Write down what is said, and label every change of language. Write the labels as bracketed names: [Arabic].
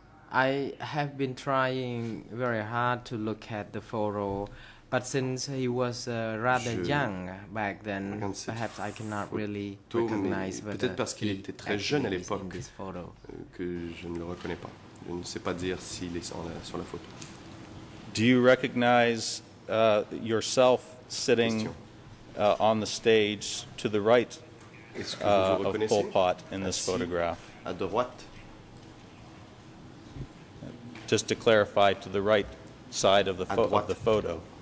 [English] I have been trying very hard to look at the photo, but since he was rather young back then, perhaps I cannot really recognize whether he [French] était très jeune à l'époque [English] in this photo. [French] Que je ne le reconnais pas. Je ne sais pas dire s'il est sur la photo. [English] Do you recognize yourself sitting on the stage to the right of Pol Pot in this photograph? [French] À droite. [English] Just to clarify, to the right side of the of the photo.